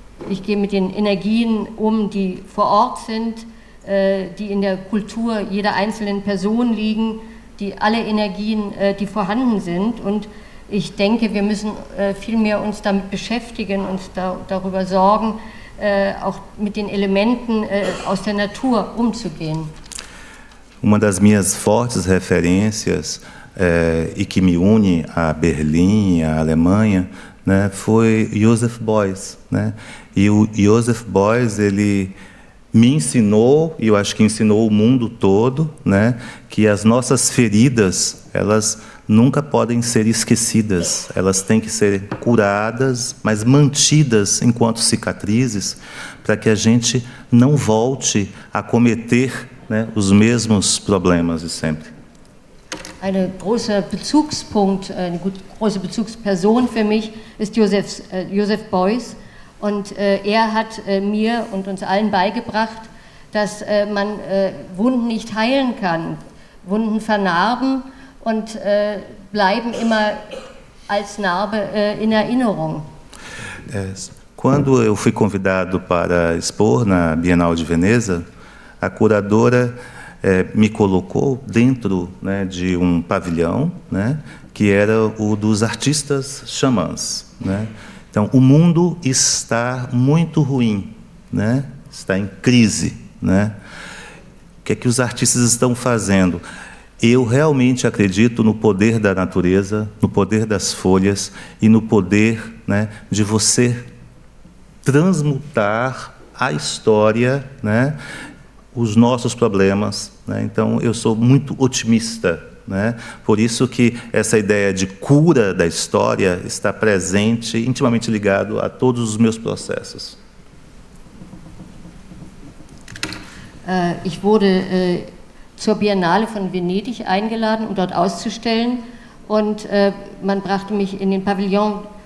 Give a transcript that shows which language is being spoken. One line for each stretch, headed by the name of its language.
German: Ich gehe mit den Energien um, die vor Ort sind, die in der Kultur jeder einzelnen Person liegen, die alle Energien, die vorhanden sind. Und ich denke, wir müssen vielmehr uns damit beschäftigen, uns darüber sorgen, auch mit den Elementen aus der Natur umzugehen.
Portuguese: Uma das minhas fortes referências e que me une a Berlim, a Alemanha, né, foi Joseph Beuys, né? E o Joseph Beuys, ele me ensinou, e eu acho que ensinou o mundo todo, né, que as nossas feridas, elas nunca podem ser esquecidas, elas têm que ser curadas, mas mantidas enquanto cicatrizes, para que a gente não volte a cometer, né, os mesmos problemas de sempre.
German: Eine große Bezugspunkt, eine große Bezugsperson für mich ist Joseph Beuys. Und er hat mir und uns allen beigebracht, dass man Wunden nicht heilen kann. Wunden vernarben und bleiben immer als Narbe in Erinnerung.
Portuguese: Quando eu fui convidado para expor na Bienal de Veneza, a curadora me colocou dentro, né, de um pavilhão, né, que era o dos artistas xamãs, né? Então, o mundo está muito ruim, né? Está em crise, né? O que é que os artistas estão fazendo? Eu realmente acredito no poder da natureza, no poder das folhas e no poder, né, de você transmutar a história, né, os nossos problemas, né? Então eu sou muito otimista, né? Por isso que essa ideia de cura da história está presente, intimamente ligado a todos os meus processos.
German: Ich wurde zur Biennale von Venedig eingeladen, um dort auszustellen, und man brachte mich in den Pavillon,